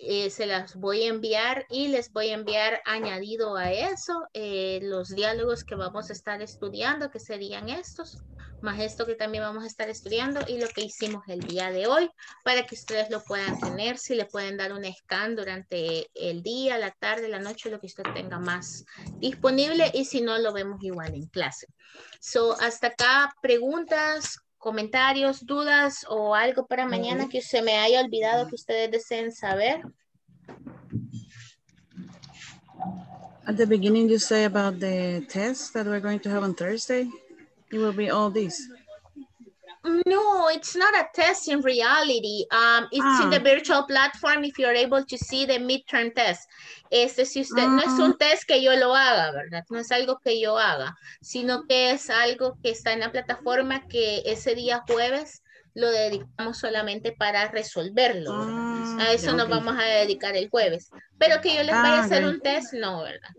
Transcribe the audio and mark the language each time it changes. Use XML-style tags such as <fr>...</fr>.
<es>se las voy a enviar y les voy a enviar añadido a eso los diálogos que vamos a estar estudiando, que serían estos, más esto que también vamos a estar estudiando y lo que hicimos el día de hoy, para que ustedes lo puedan tener, si le pueden dar un scan durante el día, la tarde, la noche, lo que usted tenga más disponible, y si no, lo vemos igual en clase. So, hasta acá, preguntas, comentarios, dudas o algo para mañana que se me haya olvidado que ustedes deseen saber.</es> <en>At the beginning you say about the test that we're going to have on Thursday. It will be all this. No, it's not a test in reality. It's in the virtual platform if you're able to see the midterm test.</en> <es>Este, si usted, no es un test que yo lo haga, ¿verdad? No es algo que yo haga, sino que es algo que está en la plataforma que ese día jueves lo dedicamos solamente para resolverlo. A eso nos vamos a dedicar el jueves. Pero que yo les vaya a hacer un test, no, ¿verdad?</es>